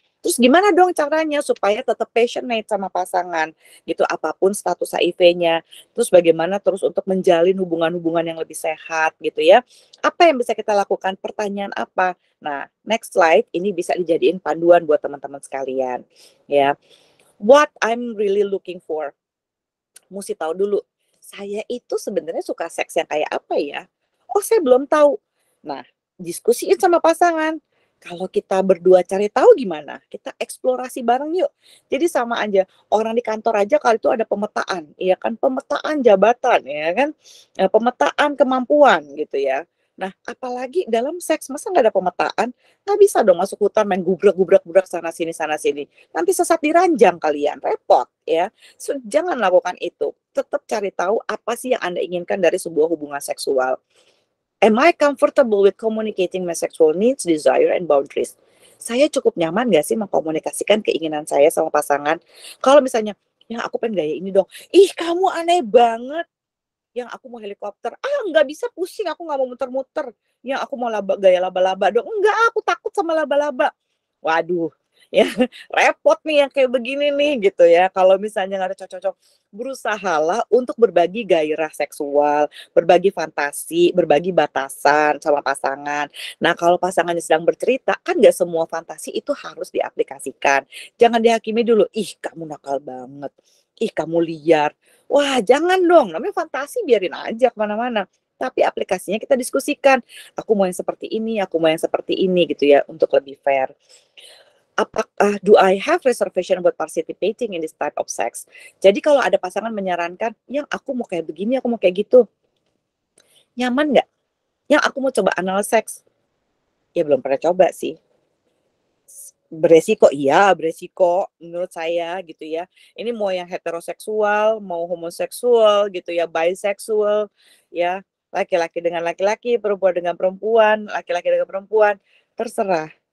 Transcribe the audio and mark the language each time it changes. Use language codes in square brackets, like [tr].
[id] Terus gimana dong caranya supaya tetap passionate sama pasangan gitu, apapun status HIV-nya. Terus bagaimana terus untuk menjalin hubungan-hubungan yang lebih sehat gitu ya. Apa yang bisa kita lakukan, pertanyaan apa. Nah, next slide ini bisa dijadiin panduan buat teman-teman sekalian ya. [en] What I'm really looking for. [id] Mesti tahu dulu, saya itu sebenarnya suka seks yang kayak apa ya? Oh, saya belum tahu. Nah, diskusiin sama pasangan. kalau kita berdua cari tahu gimana? Kita eksplorasi bareng yuk. Jadi sama aja, orang di kantor aja kalau itu ada pemetaan, ya kan, pemetaan jabatan, ya kan, pemetaan kemampuan gitu ya. Nah, apalagi dalam seks, masa nggak ada pemetaan? Nggak bisa dong masuk hutan main gubrak-gubrak-gubrak sana-sini. Nanti sesat di ranjang kalian, repot ya. So, jangan lakukan itu. Tetap cari tahu apa sih yang Anda inginkan dari sebuah hubungan seksual. [en] Am I comfortable with communicating my sexual needs, desire, and boundaries? [id] Saya cukup nyaman nggak sih mengkomunikasikan keinginan saya sama pasangan? Kalau misalnya, ya aku pengen gaya ini dong. Ih, kamu aneh banget. Yang aku mau helikopter, ah nggak bisa, pusing, aku nggak mau muter-muter. Yang aku mau laba, gaya laba-laba dong, enggak, aku takut sama laba-laba. Waduh, ya repot nih yang kayak begini nih gitu ya. Kalau misalnya nggak ada cocok-cocok, berusahalah untuk berbagi gairah seksual, berbagi fantasi, berbagi batasan sama pasangan. Nah kalau pasangannya sedang bercerita, kan nggak semua fantasi itu harus diaplikasikan. Jangan dihakimi dulu, ih kamu nakal banget, ih kamu liar. Wah jangan dong, namanya fantasi biarin aja kemana-mana. Tapi aplikasinya kita diskusikan. Aku mau yang seperti ini, aku mau yang seperti ini gitu ya, untuk lebih fair. Apakah, [en] do I have reservation about participating in this type of sex? [id] Jadi kalau ada pasangan menyarankan, yang aku mau kayak begini, aku mau kayak gitu. Nyaman gak? Yang aku mau coba anal sex? Ya belum pernah coba sih. Beresiko, iya beresiko menurut saya gitu ya. Ini mau yang heteroseksual, mau homoseksual gitu ya, biseksual ya, laki-laki dengan laki-laki, perempuan dengan perempuan, laki-laki dengan perempuan, terserah.